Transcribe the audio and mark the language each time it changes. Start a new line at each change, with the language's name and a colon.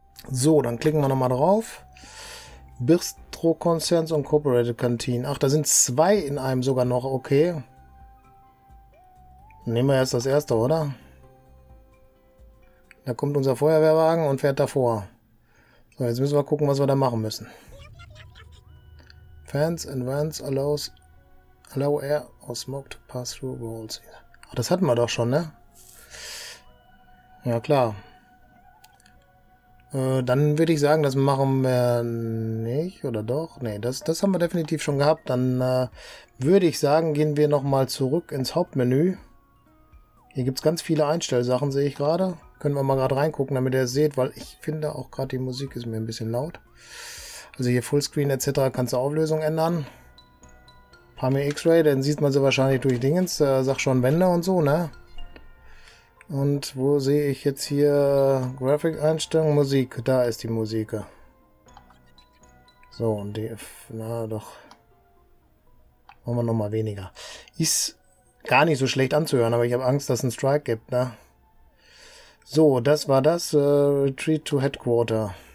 German: So, dann klicken wir nochmal drauf. Bistro Concerns und Corporate Kantinen. Ach, da sind zwei in einem sogar noch. Okay. Nehmen wir erst das erste, oder? Da kommt unser Feuerwehrwagen und fährt davor. So, jetzt müssen wir gucken, was wir da machen müssen.
English: Fans and vans allow air or smoke to pass through walls.
German: Ach, das hatten wir doch schon, ne? Ja, klar. Dann würde ich sagen, das machen wir nicht, oder doch? Nee, das haben wir definitiv schon gehabt. Dann würde ich sagen, gehen wir nochmal zurück ins Hauptmenü. Hier gibt es ganz viele Einstellsachen, sehe ich gerade. Können wir mal gerade reingucken, damit ihr es seht, weil ich finde auch gerade die Musik ist mir ein bisschen laut. Also hier Fullscreen etc. kannst du Auflösung ändern. Paar mehr X-Ray, dann sieht man sie wahrscheinlich durch Dingens. Sag schon Wände und so, ne? Und wo sehe ich jetzt hier Grafikeinstellungen, Musik? Da ist die Musik. So, und die F, na doch. Machen wir nochmal weniger. Ist gar nicht so schlecht anzuhören, aber ich habe Angst, dass es einen Strike gibt, ne? So, das war das.
English: Retreat to Headquarter.